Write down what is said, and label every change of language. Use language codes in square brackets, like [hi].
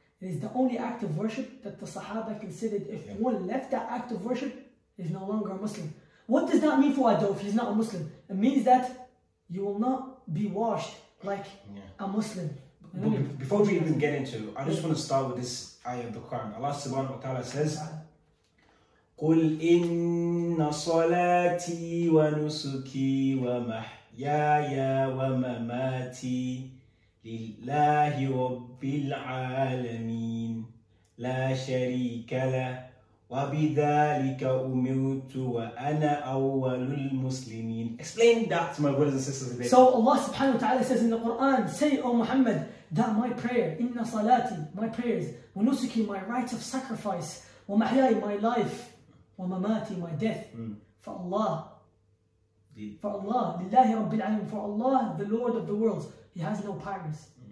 [en] It is the only act of worship that the Sahaba considered. If one left that act of worship, he's no longer a Muslim. What does that mean for Adolf if he's not a Muslim? It means that you will not be washed like a Muslim. But before we even get into it, I just want to start with this ayah of the Quran. Allah subhanahu wa ta'ala says, [ar] قُلْ إِنَّ صَلَاتِي وَنُسُكِي وَمَحْيَايَ وَمَمَاتِي لِلَّهِ رَبِّ الْعَالَمِينَ لَا شَرِيكَ لَهُ وَبِذَلِكَ أُمِرْتُ وَأَنَا أَوَّلُ الْمُسْلِمِينَ. [en] Explain that to my brothers and sisters today. So Allah subhanahu wa ta'ala says in the Quran, say, O Muhammad, that my prayer, [ar] إِنَّ صَلَاتِي, [en] my prayers, [ar] وَنُسُكِي, [en] my rites of sacrifice, [ar] وَمَحْيَايَ, [en] my life, [ar] وَمَمَاتِي, [en] my death, For Allah, the Lord of the worlds, He has no partners.